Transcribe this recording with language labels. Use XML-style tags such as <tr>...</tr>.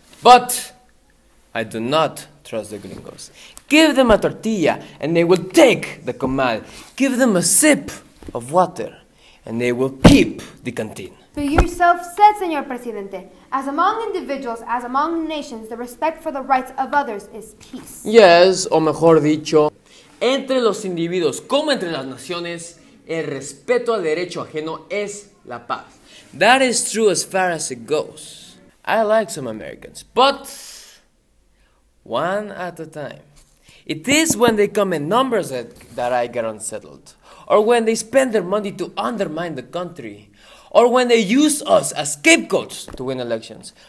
<en>But I do not trust the gringos. Give them a tortilla, and they will take the comal. Give them a sip of water, and they will keep the canteen. For yourself said,</en> <es>señor presidente,</es> <en>as among individuals, as among nations, the respect for the rights of others is peace.</en> <es>Yes, o mejor dicho, entre los individuos como entre las naciones, el respeto al derecho ajeno es la paz.</es> <en>That is true as far as it goes. I like some Americans, but one at a time. It is when they come in numbers that I get unsettled. Or when they spend their money to undermine the country. Or when they use us as scapegoats to win elections.</en>